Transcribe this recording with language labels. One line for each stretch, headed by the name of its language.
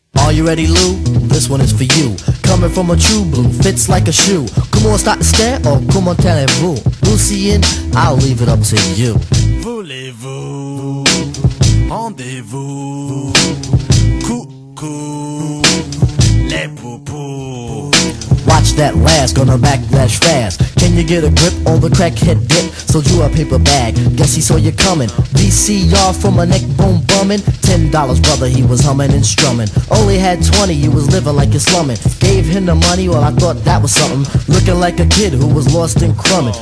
English: You ready, Lou? This one is for you. Coming from a true blue, fits like a shoe. Come on, start to stare, or come on, tell it, boo. Lucien, I'll leave it up to you.
French: Voulez-vous, rendez-vous, coucou, les poupous.
English: Watch that last, gonna backlash fast. Can you get a grip on the crackhead dip? Sold you a paper bag, guess he saw you coming. VCR from a neck bone bumming. $10, brother, he was humming and strumming. Only had 20, you was living like you're slumming. Gave him the money, well, I thought that was something. Looking like a kid who was lost in crumming.